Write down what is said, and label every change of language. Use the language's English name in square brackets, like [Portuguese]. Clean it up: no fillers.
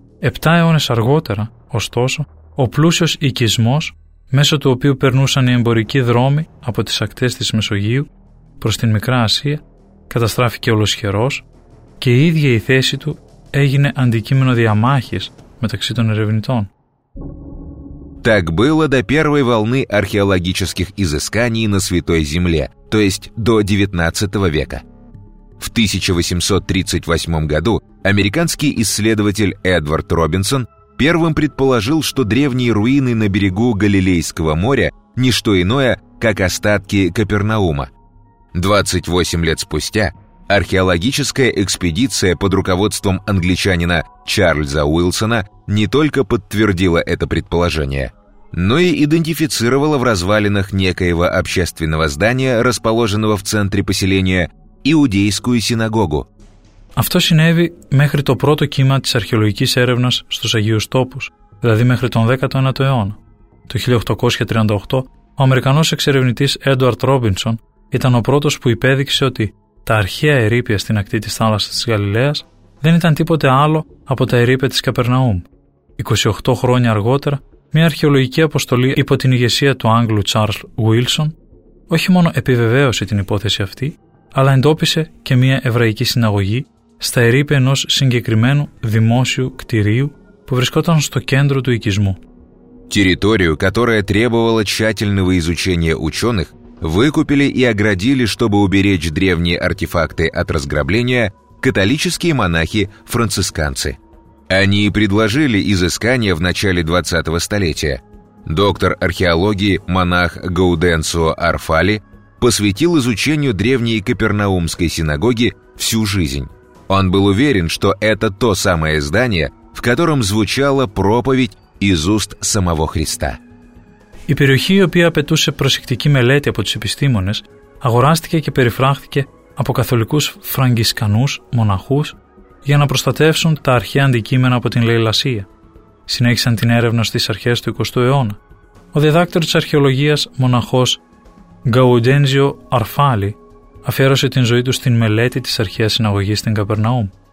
[Greek] 7 αιώνες αργότερα, ωστόσο, ο πλούσιος οικισμός, μέσω του οποίου περνούσαν οι εμπορικοί δρόμοι από τις ακτές της Μεσογείου προς την Μικρά Ασία, καταστράφηκε ολοσχερός και η ίδια η θέση του έγινε αντικείμενο διαμάχης μεταξύ των ερευνητών. [Russian] Так было до первой волны археологических изысканий на Святой Земле, то есть до XIX века. В 1838 году американский исследователь Эдвард Робинсон первым предположил, что древние руины на берегу Галилейского моря – не что иное, как остатки Капернаума. 28 лет спустя археологическая экспедиция под руководством англичанина Чарльза Уилсона не только подтвердила это предположение, но и идентифицировала в развалинах некоего общественного здания, расположенного в центре поселения, иудейскую синагогу. [Greek] Αυτό συνέβη μέχρι το πρώτο κύμα της αρχαιολογικής έρευνας στους Αγίους Τόπους, δηλαδή μέχρι τον 19ο αιώνα. Το 1838, ο Αμερικανός εξερευνητής Έντουαρντ Ρόμπινσον ήταν ο πρώτος που υπέδειξε ότι τα αρχαία ερείπια στην ακτή της θάλασσας της Γαλιλαίας δεν ήταν τίποτε άλλο από τα ερείπια της Καπερναούμ. 28 χρόνια αργότερα, μια αρχαιολογική αποστολή υπό την ηγεσία του Άγγλου Τσάρλς Γουίλσον όχι μόνο επιβεβαίωσε την υπόθεση αυτή, αλλά εντόπισε και μια εβραϊκή συναγωγή στα ερείπια ενός συγκεκριμένου δημόσιου κτηρίου που βρισκόταν στο κέντρο του οικισμού. [Russian] Территорию, которая требовала тщательного изучения ученых, выкупили и оградили, чтобы уберечь древние артефакты от разграбления, католические монахи-францисканцы. Они предложили изыскания в начале 20-го столетия. Доктор археологии, монах Гауденцио Арфали, посвятил изучению древней Капернаумской синагоги всю жизнь. Он был уверен, что это то самое здание, в котором звучала проповедь из уст самого Христа. [Greek] Η περιοχή, η οποία απαιτούσε προσεκτική μελέτη από τους επιστήμονες, αγοράστηκε και περιφράχθηκε από καθολικούς φραγκισκανούς μοναχούς για να προστατεύσουν τα αρχαία αντικείμενα από την λαιλασία. Συνέχισαν την έρευνα στις αρχές του 20ου αιώνα. Ο διδάκτορος της αρχαιολογίας, μοναχός Γκαουντένζιο Αρφάλι, αφιέρωσε την ζωή του στην μελέτη της αρχαίας συναγωγής στην Καπερναούμ.